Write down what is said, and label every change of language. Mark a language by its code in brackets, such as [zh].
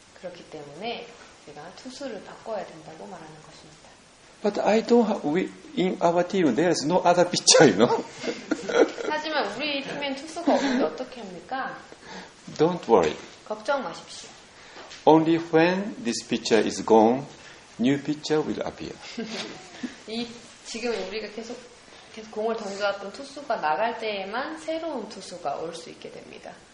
[ko] 그렇기 때문에 우리가 투수를 바꿔야 된다고 말하는 것입니다. [en] But I don't have, in our team there is no other pitcher, you know? [ko] 하지만 우리 팀엔 투수가 없는데 어떻게 합니까? [en] Don't worry. [ko] 걱정 마십시오. [en] Only when this pitcher is gone, new pitcher will appear. [ko] 지금 우리가 계속 공을 던져왔던 투수가 나갈 때에만 새로운 투수가 올 수 있게 됩니다.